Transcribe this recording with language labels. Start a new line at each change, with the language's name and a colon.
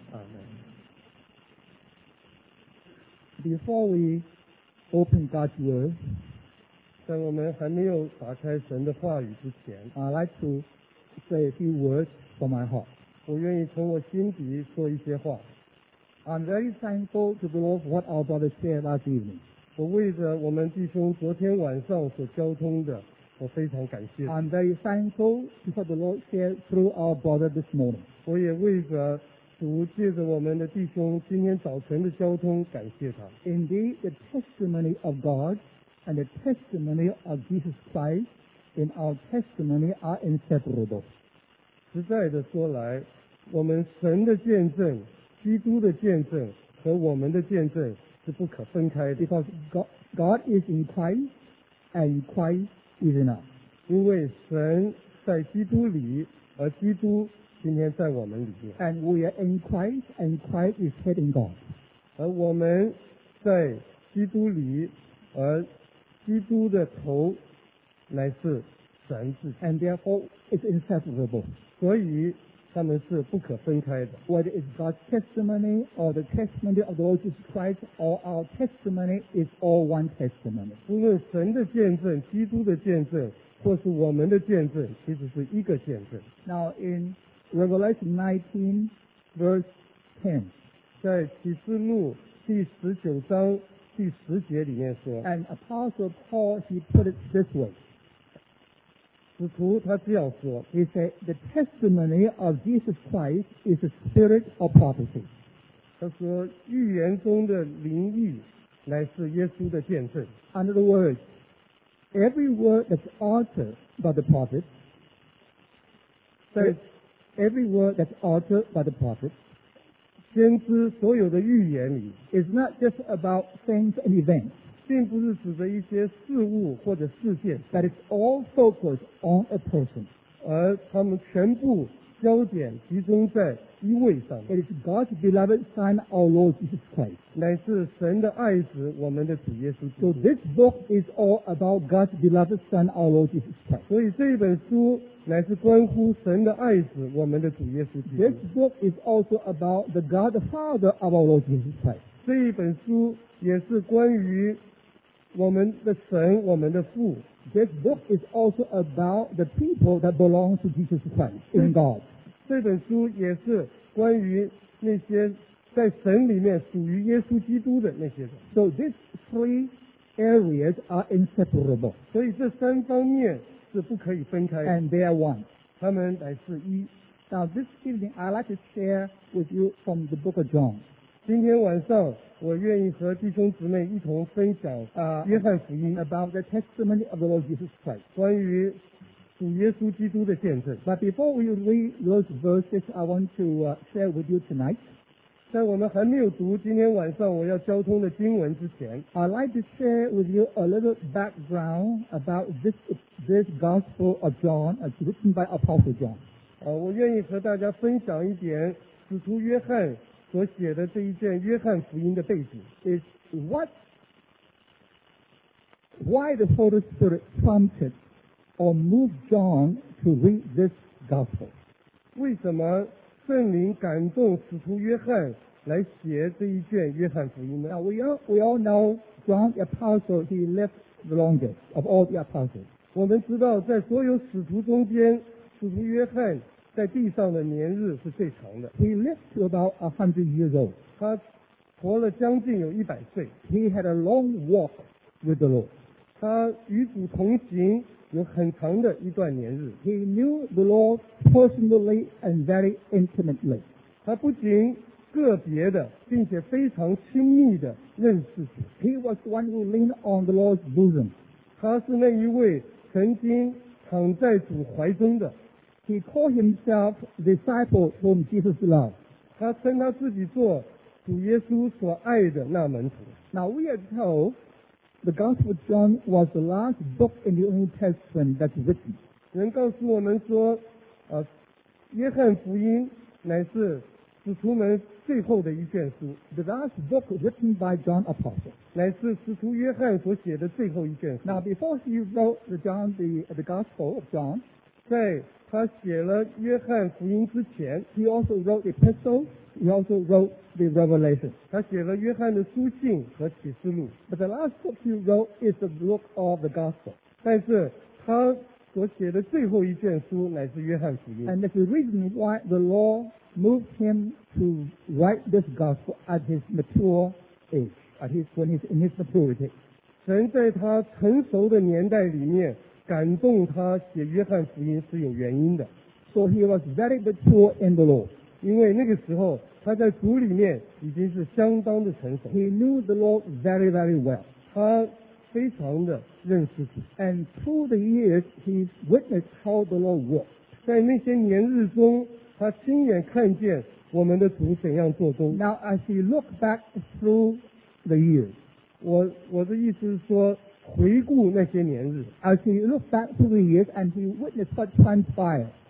English: Amen. Before we open God's word,
Chinese: 在我们还没有打开神的话语之前
English: ，I'd like to say a few words from my heart.
Chinese: 我愿意从我心底说一些话。
English: I'm very thankful to the Lord for what our brother shared last evening.
Chinese: 我为着我们弟兄昨天晚上所交通的，我非常感谢。
English: I'm very thankful to what the Lord shared through our brother this morning.
Chinese: 我也为着主借着我们的弟兄今天早晨的交通感谢他。
English: Indeed, the testimony of God and the testimony of Jesus Christ in our testimony are inseparable.
Chinese: 实在的说来，我们神的见证基督的见证和我们的见证是不可分开的
English: Because God is in Christ and Christ is in us
Chinese: 因为神在基督里而基督今天在我们里面
English: And we are in Christ and Christ is hid in God
Chinese: 而我们在基督里而基督的头乃是神自己
English: And therefore it's inseparable
Chinese: 所以他们是不可分开的
English: Whether it's God's testimony or the testimony of the Lord Jesus Christ or our testimony is all one testimony
Chinese: 无论神的见证基督的见证或是我们的见证其实是一个见证
English: Now in Revelation 19 verse 10
Chinese: 在启示录第十九章第十节里面说
English: And Apostle Paul he put it this way
Chinese: 使徒他这样说
English: He said, the testimony of Jesus Christ is a spirit of prophecy.
Chinese: 他说预言中的灵异乃是耶稣的见证。
English: In other words, every word that's uttered by the prophet, every word that's uttered by the prophet,
Chinese: 先知所有的预言里
English: is not just about things and events.
Chinese: 并不是指着一些事物或者事件
English: that it's all focused on a person
Chinese: 而他们全部焦点集中在一位上
English: it is God's beloved son our Lord Jesus Christ
Chinese: 乃是神的爱子我们的主耶稣基督
English: so this book is all about God's beloved son our Lord Jesus Christ
Chinese: 所以这本书乃是关乎神的爱子我们的主耶稣基督
English: this book is also about the God the Father of our Lord Jesus Christ
Chinese: 这一本书也是关于我们的神我们的父
English: This book is also about the people that belong to Jesus Christ in God
Chinese: 这本书也是关于那些在神里面属于耶稣基督的那些人
English: So these three areas are inseparable.
Chinese: 所以这三方面是不可以分开的。
English: And they are one.
Chinese: 他们乃是一。
English: Now this evening, I'd like to share with you from the Book of John.
Chinese: 今天晚上，我愿意和弟兄姊妹一同分享约翰福音
English: about the testimony of the Lord Jesus Christ.
Chinese: 关于主耶稣基督的见证。
English: But before we read those verses, I want to share with you tonight.
Chinese: 在我们还没有读今天晚上我要交通的经文之前
English: I'd like to share with you a little background about this gospel of John as written by Apostle John、
Chinese: 我愿意和大家分享一点使徒约翰所写的这一卷约翰福音的背景
English: is why the Holy Spirit prompted or moved John to read this gospel
Chinese: 为什么圣灵感动使徒约翰来写这一卷约翰福音呢
English: Now we all know John the Apostle, he lived the longest of all the apostles.
Chinese: 我们知道在所有使徒中间使徒约翰在地上的年日是最长的
English: He lived to about 100 years old.
Chinese: 他活了将近有100岁
English: He had a long walk with the Lord.
Chinese: 他与主同行有很长的一段年日
English: He knew the Lord personally and very intimately.
Chinese: 他不仅个别的并且非常亲密的认识主
English: He was the one who leaned on the Lord's bosom.
Chinese: 他是那一位曾经躺在主怀中的
English: He called himself the disciple whom Jesus loved.
Chinese: 他称他自己做主耶稣所爱的那门徒
English: Now we are told,The Gospel of John was the last book in the Old Testament that's written.
Chinese: 人告诉我们说，约翰福音乃是使徒们最后的一卷书。
English: The last book written by John Apostle.
Chinese: 乃是使徒约翰所写的最后一卷书。
English: Now, before he wrote the Gospel of John,
Chinese: 在他写了约翰福音之前
English: he also wrote the Epistle. He also wrote the Revelation.
Chinese: 他写了约翰的书信和启示录。
English: But the last book he wrote is the book of the Gospel.
Chinese: 但是他所写的最后一卷书乃是约翰福音。
English: And that's the reason why the Lord moved him to write this Gospel at his mature age, at his, when he's in his maturity.
Chinese: 神在他成熟的年代里面感动他写约翰福音是有原因的。
English: So he was very mature in the Lord.
Chinese: 因为那个时候他在主里面已经是相当的成熟
English: He knew the Lord very very well
Chinese: 他非常的认识主
English: And through the years he witnessed how the Lord worked
Chinese: 在那些年日中他亲眼看见我们的主怎样做工
English: Now as he looked back through the years
Chinese: 我的意思是说回顾那些年日
English: As he looked back through the years and he witnessed what transpired